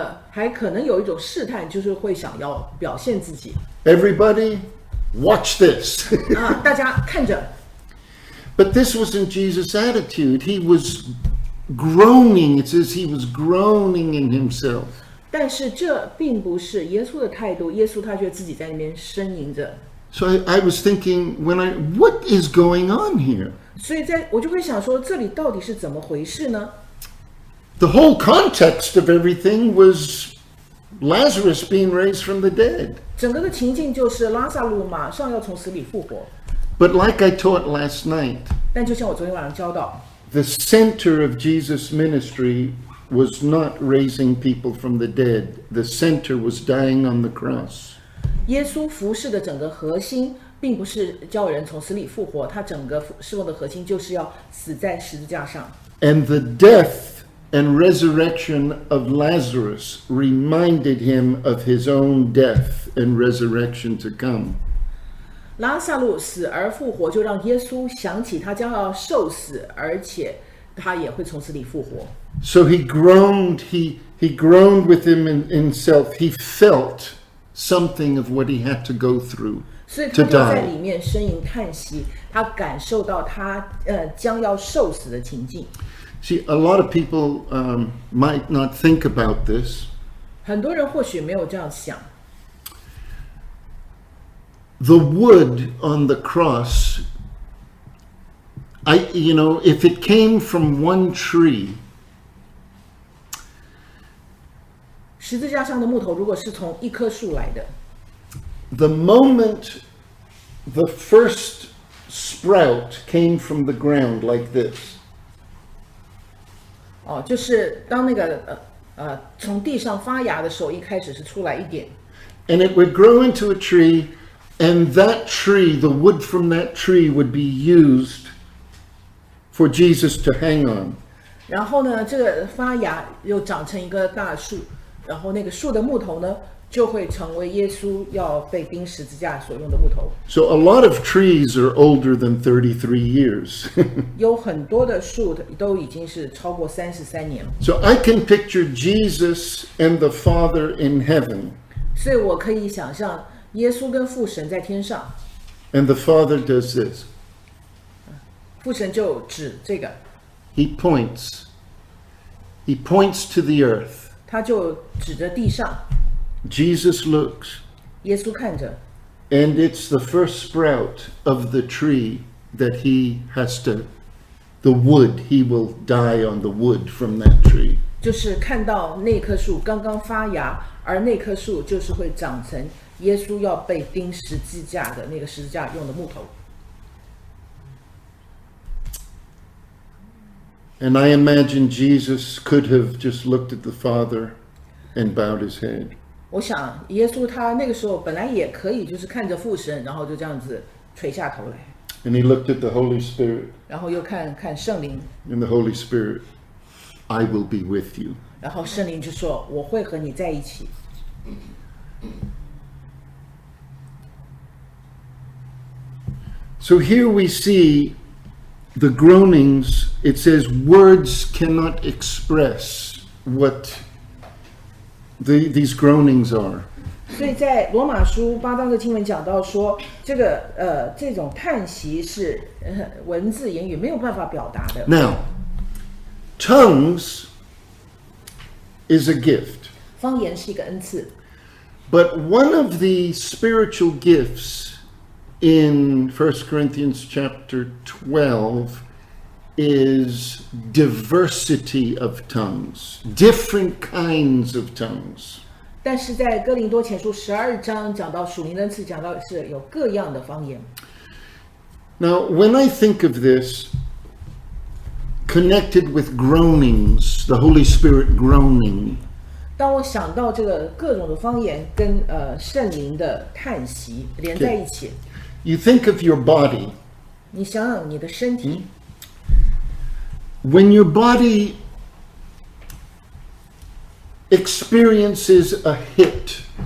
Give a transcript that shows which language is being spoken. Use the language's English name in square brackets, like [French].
[Chinese] 还可能有一种试探，就是会想要表现自己。 [English] Everybody. Watch this. [Chinese] 大家看着。 [English] But this wasn't Jesus' attitude. He was groaning. It says he was groaning in himself. [Chinese] 但是这并不是耶稣的态度。耶稣他却自己在那边呻吟着。 [English] So I was thinking, what is going on here? [Chinese] 所以在我就会想说，这里到底是怎么回事呢？ [English] The whole context of everything was Lazarus being raised from the dead. [Chinese] 整个的情境就是拉撒路马上要从死里复活。 [English] But like I taught last night, [Chinese] 但就像我昨天晚上教导 [English] ，the center of Jesus' ministry was not raising people from the dead. The center was dying on the cross. [Chinese] 耶稣服事的整个核心并不是叫人从死里复活，他整个侍奉的核心就是要死在十字架上。 [English] And the death and resurrection of Lazarus reminded him of his own death. And resurrection to come. [Chinese] 拉撒路死而复活，就让耶稣想起他将要受死，而且他也会从此里复活。 [English] So he groaned. He groaned with him in himself. He felt something of what he had to go through to die. [Chinese] 所以他在里面呻吟叹息，他感受到他将要受死的情境。 [English] See, a lot of people might not think about this. [Chinese] 很多人或许没有这样想。 [English] The wood on the cross, if it came from one tree, [Chinese] 十字架上的木头如果是从一棵树来的 [English] the moment the first sprout came from the ground like this, [Chinese] 就是当那个从地上发芽的时候，一开始是出来一点 [English] and it would grow into a tree. And that tree, the wood from that tree, would be used for Jesus to hang on. [Chinese] 然后呢，这个发芽又长成一个大树，然后那个树的木头呢，就会成为耶稣要被钉十字架所用的木头。 [English] So a lot of trees are older than 33 years. [Chinese] 有很多的树都已经是超过33年。 [English] So I can picture Jesus and the Father in heaven. [Chinese] 所以我可以想象。耶稣跟父神在天上 [English] And the Father does this. [Chinese] 父神就指这个 [English] He points. He points to the earth. [Chinese] 他就指着地上。 [English] Jesus looks. [Chinese] 耶稣看着。 [English] And it's the first sprout of the tree that he has to, the wood, he will die on the wood from that tree. [Chinese] 就是看到那棵树刚刚发芽，而那棵树就是会长成耶稣要被钉十字架的那个十字架用的木头。 [English] And I imagine Jesus could have just looked at the Father and bowed his head. [Chinese] 我想耶稣他那个时候本来也可以就是看着父神，然后就这样子垂下头来。 [English] And he looked at the Holy Spirit. [Chinese] 然后又看看圣灵。 [English] And the Holy Spirit, I will be with you. [Chinese] 然后圣灵就说，我会和你在一起。 [English] So here we see the groanings, it says words cannot express what these groanings are. [Chinese] 所以在罗马书八章的经文讲到说，这个这种叹息是文字言语没有办法表达的。 [English] Now, tongues is a gift. [Chinese] 方言是一个恩赐。 [English] But one of the spiritual gifts in 1 Corinthians chapter 12 is diversity of tongues, different kinds of tongues. [Chinese] 但是在哥林多前书十二章讲到属灵的恩赐，讲到是有各样的方言。 [English] Now, when I think of this, connected with groanings, the Holy Spirit groaning, [Chinese] 当我想到这个各种的方言跟圣灵的叹息连在一起。 [English] You think of your body. [Chinese] 你想想你的身体。 [English] When your body experiences a hit,